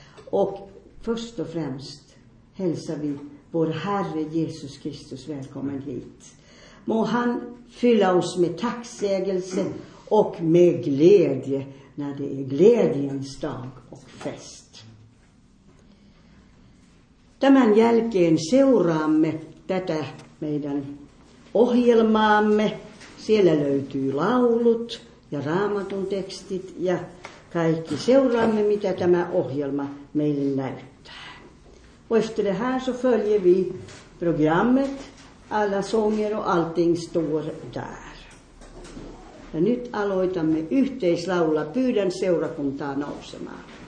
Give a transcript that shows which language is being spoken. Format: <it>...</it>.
<sv>Och först och främst hälsar vi vår Herre Jesus Kristus välkommen hit. Må han fylla oss med tacksägelse och med glädje när det är glädjens dag och fest.</sv> <fi>Tämän jälkeen seuraamme tätä meidän ohjelmaamme. Siellä löytyy laulut ja raamatun tekstit ja kaikki seuraamme, mitä tämä ohjelma meille näyttää.</fi> <sv>Och efter det här så följer vi programmet. Alla sånger och allting står där.</sv> <fi>Ja nyt aloitamme yhteislaulla. Pyydän seurakuntaa nousemaan.</fi>